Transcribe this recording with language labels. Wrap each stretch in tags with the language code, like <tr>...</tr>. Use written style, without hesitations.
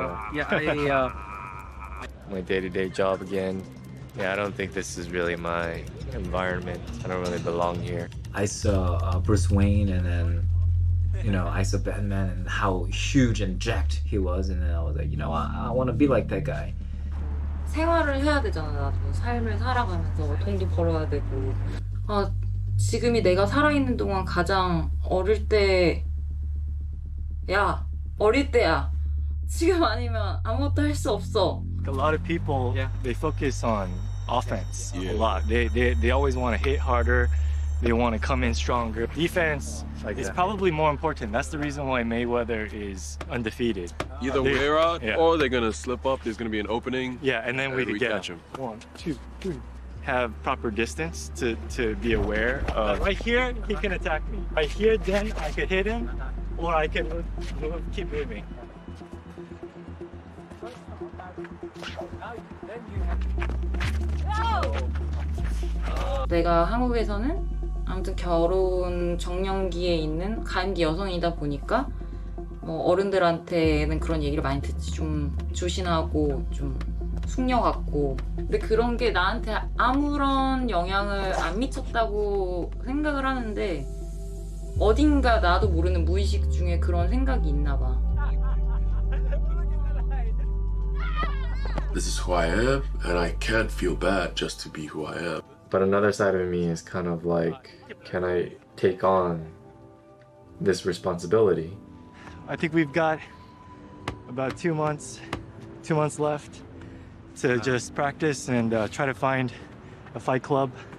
<en>My day-to-day job again. Yeah, I don't think this is really my environment. I don't really belong here. I saw Bruce Wayne, and then, you know, I saw Batman and how huge and jacked he was, and then I was like, you know, I want to be like that guy.</en> <ko>생활을 해야 되잖아, 나도. 삶을 살아가면서 돈도 벌어야 되고. 아, 지금이 내가 살아있는 동안 가장 어릴 때야. 어릴 때야. 지금 아니면 아무것도 할 수 없어.</ko> <en>A lot of people, they focus on offense a lot. They always want to hit harder. They want to come in stronger. Defense like is probably more important. That's the reason why Mayweather is undefeated. Either wear out or they're going to slip up. There's going to be an opening. Yeah, and then we get catch them. One, two, three. Have proper distance to be aware of. Right here, he can attack me. Right here, then I could hit him or I can keep moving.</en> <ko>No! 내가 한국에서는 아무튼 결혼 정년기에 있는 가임기 여성이다 보니까 뭐 어른들한테는 그런 얘기를 많이 듣지. 좀 조신하고 좀 숙녀 같고. 근데 그런 게 나한테 아무런 영향을 안 미쳤다고 생각을 하는데 어딘가 나도 모르는 무의식 중에 그런 생각이 있나 봐.</ko> <en>This is who I am, and I can't feel bad just to be who I am. But another side of me is kind of like, can I take on this responsibility? I think we've got about two months left to just practice and try to find a fight club.</en>